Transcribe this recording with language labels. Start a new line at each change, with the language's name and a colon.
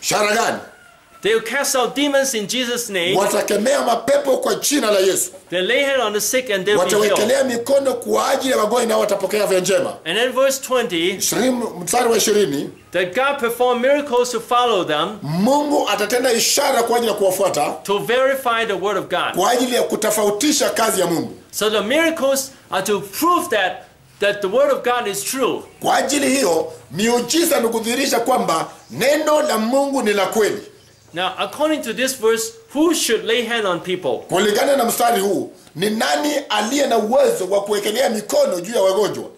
Swahili: Ishara gani?
English: They will cast out demons in Jesus' name.
Swahili: Watakemea mapepo kwa jina la Yesu.
English: They lay hands on the sick and they will be healed.
Swahili: Watawekelea mikono kwa ajili ya wagonjwa na watapokea afya njema.
English: And in verse 20,
Swahili: mstari wa 20,
English: that God perform miracles to follow them.
Swahili: Mungu atatenda ishara kwa ajili ya kuwafuata.
English: To verify the word of God.
Swahili: Kwa ajili ya kutofautisha kazi ya Mungu.
English: So the miracles are to prove that the word of God is true.
Swahili: Kwa ajili hiyo miujiza ni kudhihirisha kwamba neno la Mungu ni la kweli.
English: Now, according to this verse, who should lay hand on people?
Swahili: Kulingana na mstari huu, ni nani aliye na uwezo wa kuwekelea mikono juu ya wagonjwa?